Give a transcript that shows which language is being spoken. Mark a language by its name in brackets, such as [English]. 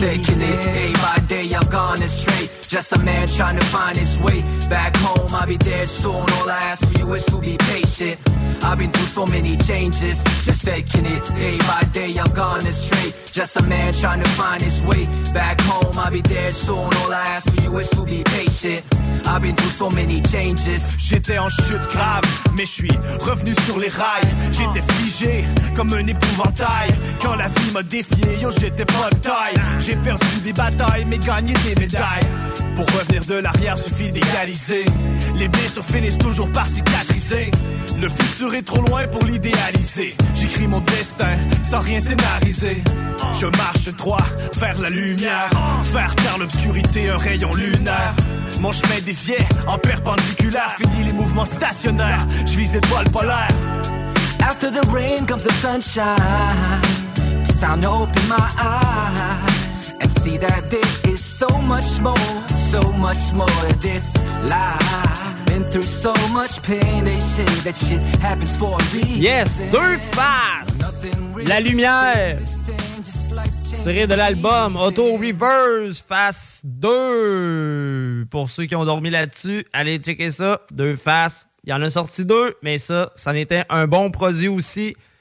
[English] Just taking it day by day, I've gone astray. Just a man trying to find his way back home. I'll be there soon, all I ask for you is to be patient. I've been through so many changes. Just taking it day by day, I've gone astray. Just a man trying to find his way back home. I'll be there soon, all I ask for you is to be patient. I've been through so many changes. [French] J'étais en chute grave, mais je suis revenu sur les rails. J'étais figé comme un épouvantail. Quand la vie m'a défié, yo j'étais pas de taille. J'ai perdu des batailles, mais gagné des médailles. Pour revenir de l'arrière, suffit d'égaliser. Les blessures finissent toujours par cicatriser. Le futur est trop loin pour l'idéaliser. J'écris mon destin sans rien scénariser. Je marche droit vers la lumière. Faire taire l'obscurité, un rayon lunaire. Mon chemin dévié en perpendiculaire. Fini les mouvements stationnaires. Je vise l'étoile polaire. [English] After the rain comes the sunshine. Time to open my eyes. And see that this is so much more. So much more than this life. Through so much pain, they say that shit happens for a reason. [French] Yes, deux faces. La lumière tirée de l'album Auto Reverse face 2. Pour ceux qui ont dormi là-dessus, allez checker ça. Deux faces. Il y en a sorti deux, mais ça, ça en était un bon produit aussi.